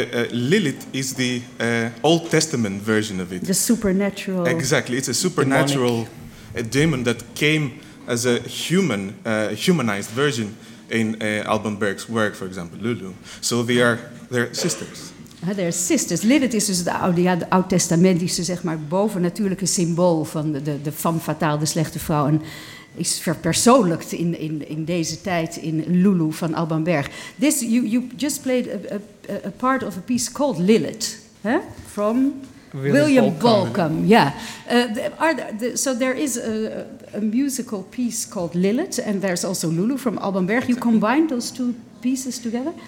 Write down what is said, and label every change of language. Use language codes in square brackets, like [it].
[en] Lilith is the Old Testament version of it. The supernatural. Exactly. It's a supernatural demon that came as a human, humanized version in Alban Berg's work, for example, Lulu. So they're sisters. They're sisters. [nl] Lilith is dus de Oud Testamentische, zeg maar, bovennatuurlijke symbool van de femme fatale, de slechte vrouw. En is verpersoonlijkt in deze tijd in Lulu van Alban Berg. [en] This, you just played a part of a piece called Lilith, huh? From William Bolcom. Yeah. So there is a musical piece called Lilith, and there's also Lulu from Alban Berg. You combined those two pieces together?